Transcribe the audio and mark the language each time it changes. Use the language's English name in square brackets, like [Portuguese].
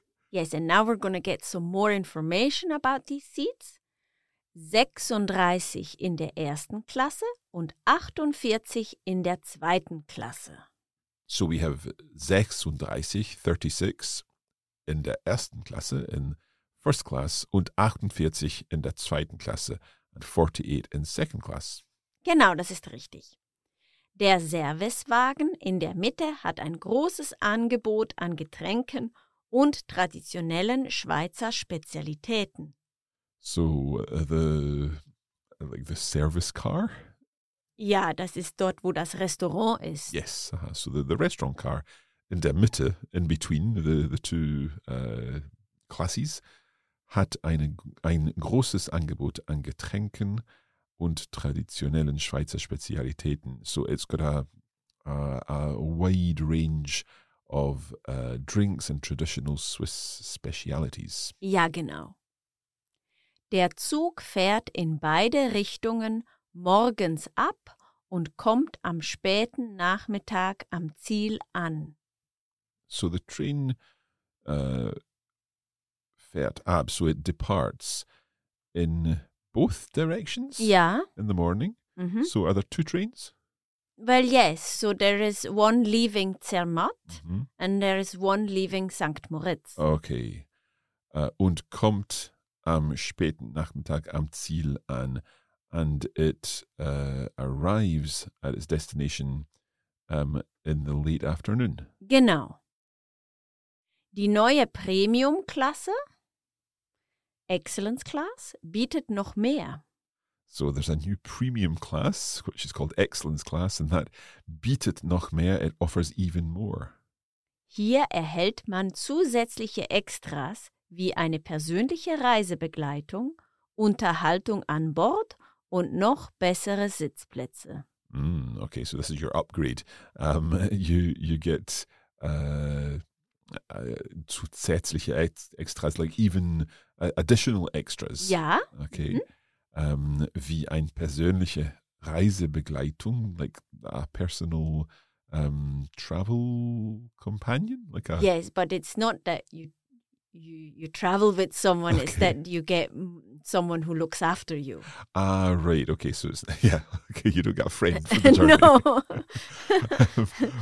[English] Yes, and now we're going to get some more information about these seats. [German] 36 in der ersten Klasse und 48 in der zweiten Klasse. [English] So we have 36 [German] in der ersten Klasse, [English] in first class, [German] und 48 in der zweiten Klasse, [English] and 48 in second class. [German] Genau, das ist richtig. Der Servicewagen in der Mitte hat ein großes Angebot an Getränken und traditionellen Schweizer Spezialitäten. [English] So the service car? [German] Ja, das ist dort, wo das Restaurant ist. [English] Yes, so the restaurant car [German] in der Mitte, [English] in between the two classes, [German] hat ein großes Angebot an Getränken und traditionellen Schweizer Spezialitäten. [English] So it's got a wide range of drinks and traditional Swiss specialities. [German] Ja, genau. Der Zug fährt in beide Richtungen morgens ab und kommt am späten Nachmittag am Ziel an. [English] So the train [German] fährt ab, [English] so it departs in both directions? [German] Ja. [English] In the morning? Mm-hmm. So are there two trains? Well, yes. So there is one leaving Zermatt and there is one leaving St. Moritz. Okay. [German] Und kommt am späten Nachmittag am Ziel an, [English] and it arrives at its destination in the late afternoon. [German] Genau. Die neue Premium-Klasse, Excellence Class, bietet noch mehr. [English] So there's a new Premium Class, which is called Excellence Class, and that [German] bietet noch mehr, [English] it offers even more. [German] Hier erhält man zusätzliche Extras, wie eine persönliche Reisebegleitung, Unterhaltung an Bord und noch bessere Sitzplätze. [English] Mm, okay, so this is your upgrade. You get [German] zusätzliche Extras, [English] like even additional extras. [German] Ja. [English] Okay. Mm-hmm. [German] Wie eine persönliche Reisebegleitung, [English] like a personal travel companion? Like a yes, but it's not that you travel with someone, okay. It's that you get someone who looks after you. Ah, right. Okay, so it's, you don't get a friend for the journey.